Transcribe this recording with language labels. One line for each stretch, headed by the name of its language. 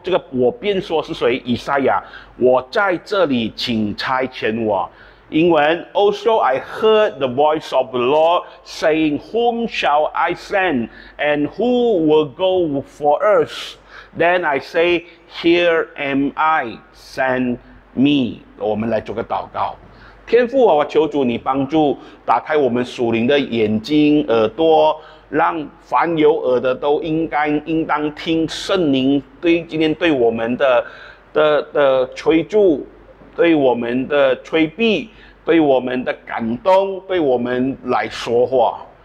Chinese: 我便说是谁？以赛亚，我在这里，请差遣我。
English: 英文 ,Also I heard the voice of the Lord saying, Whom shall I send, and who will go for us? Then I say, Here am I, send me.
Chinese: 我们来做个祷告。天父啊，我求主你帮助打开我们属灵的眼睛耳朵，让凡有耳的都应当听圣灵对今天对我们的催促，对我们的催逼，对我们的感动，对我们来说话。